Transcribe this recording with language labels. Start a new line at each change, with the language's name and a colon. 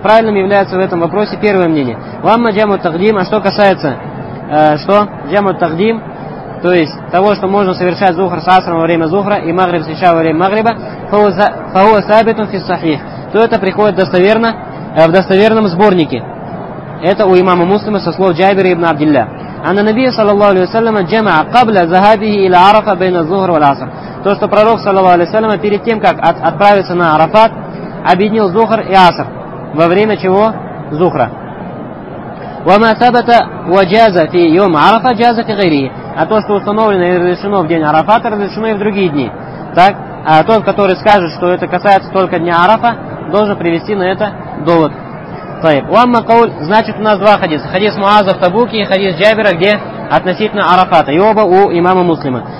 Russian: Правильным является в этом вопросе первое мнение.
Arabic: Вамма джаму тагдим,
Russian: а что касается, что? Джаму тагдим, то есть того, что можно совершать зухр с асром во время зухра и магриб с иша во время магриба,
Arabic: фауа сабитун фи сахих.
Russian: То это приходит достоверно, в достоверном сборнике. Это у имама Муслима со слов Джабира ибн Абдилля.
Arabic: أن النبي صلى الله عليه وسلم جمع قبل ذهابه إلى عرفة بين الظهر والعصر.
Russian: То, что пророк
Arabic: صلى الله عليه وسلم
Russian: перед тем, как отправиться на Арафат, объединил Зухр и Аср. Во время чего? Зухра.
Arabic: وما ثبت وجاز في يوم عرفة جاز في غيره.
Russian: А то, что установлено и разрешено в день Арафата, разрешено и в другие дни. Так, а тот, который скажет, что это касается только дня Арафа, должен привести на это довод. Значит, у нас два хадиса. Хадис Муаза в Табуке и хадис Джабира, где относительно Арафата. И оба у имама Муслима.